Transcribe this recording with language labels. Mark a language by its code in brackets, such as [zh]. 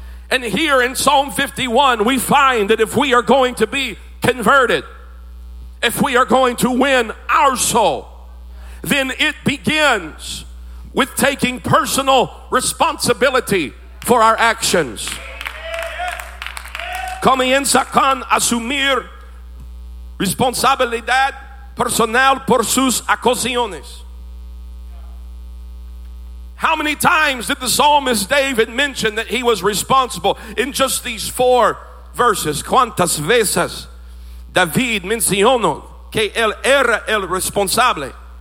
[en] And here in Psalm 51, we find that if we are going to be converted, if we are going to win our soul, then it begins with taking personal responsibility for our actions. [es] Comienza con asumir responsabilidad personal por sus acciones. [en] How many times did the psalmist David mention that he was responsible in just these four verses? [es] ¿Cuántas veces David mencionó que él era el responsable?